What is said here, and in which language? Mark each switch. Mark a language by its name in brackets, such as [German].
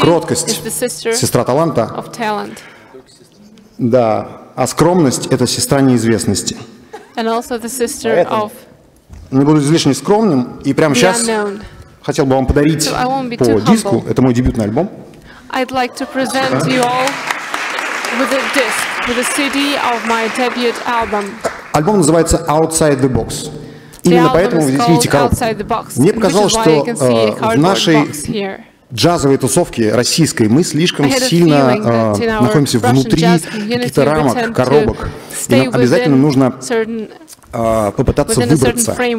[Russian] Кроткость — [English] is the sister [Russian] сестра таланта. [English] Of talent. [Russian] Да, а скромность — это сестра неизвестности. [English] And also the sister of... [Russian] Не буду излишне скромным, и прямо сейчас хотел бы вам подарить по диску. Это мой дебютный альбом. [English] I'd like to present you all with a disc, with a CD of my debut album. [Russian] Альбом называется Outside the Box. Именно поэтому вы здесь видите коробку. Мне показалось, что в нашей джазовые тусовки российской, мы слишком сильно находимся внутри каких-то рамок, коробок. И нам обязательно нужно попытаться выбраться.